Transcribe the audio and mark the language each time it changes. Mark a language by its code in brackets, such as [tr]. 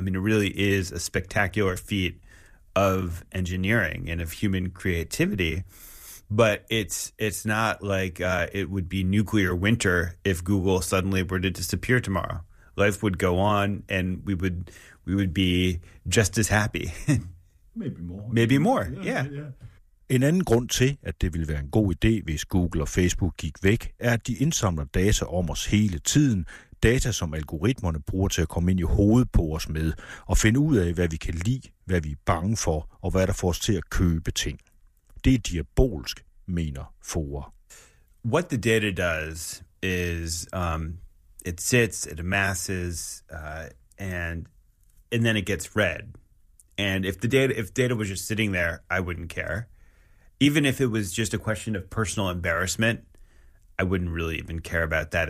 [en] I mean, it really is a spectacular feat of engineering and of human creativity. But it's not like it would be nuclear winter if Google suddenly were to disappear tomorrow. Life would go on, and we would be just as happy. Maybe more. Maybe more. Yeah. [da] En anden grund til, at det ville være en god idé, hvis Google og Facebook gik væk, er, at de indsamler data om os hele tiden. Data, som algoritmerne bruger til at komme ind i hovedet på os med og finde ud af, hvad vi kan lide, hvad vi er bange for, og hvad der får os til at købe ting. Det er diabolsk, mener Fora. [en] What the data does is it sits, it amasses, and then it gets read. And if data was just sitting there, I wouldn't care. Even if it was just a question of personal embarrassment, I wouldn't really even care about that.